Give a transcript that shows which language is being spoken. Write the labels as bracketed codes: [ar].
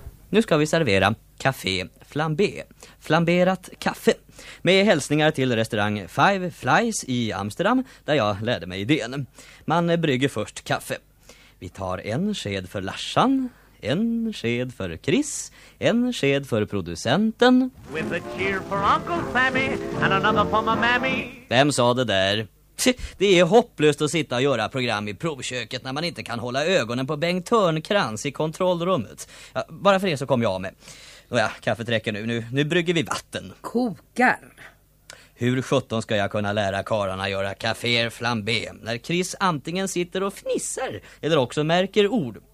[sv] Nu ska vi servera café flambé. Flamberat kaffe. Med hälsningar till restaurang Five Flies i Amsterdam, där jag lärde mig idén. Man brygger först kaffe. Vi tar en sked för Larsan, en sked för Chris, en sked för producenten. [en] With a cheer for Uncle Sammy and another for my mammy. [sv] Vem sa det där? Det är hopplöst att sitta och göra program i provköket när man inte kan hålla ögonen på Bengt Törnkrans i kontrollrummet. Ja, bara för det så kom jag med. Ja, kaffet räcker nu. Nu brygger vi vatten. Kokar. Hur sjutton ska jag kunna lära kararna göra café flambé när Chris antingen sitter och fnissar eller också märker ord?